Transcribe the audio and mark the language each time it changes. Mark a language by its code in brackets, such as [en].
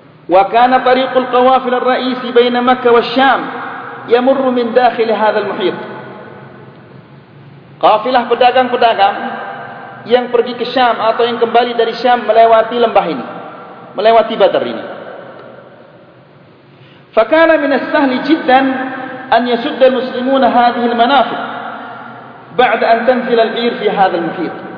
[ar] وكان طريق القوافل الرئيسي بين مكة والشام يمر من داخل هذا المحيط. [id] Qafilah pedagang-pedagang yang pergi ke Syam atau yang kembali dari Syam melewati lembah ini, melewati Badr ini. [ar] فكان من السهل جدا أن يسد المسلمون هذه المنافذ بعد أن تنزل البير في هذا المحيط.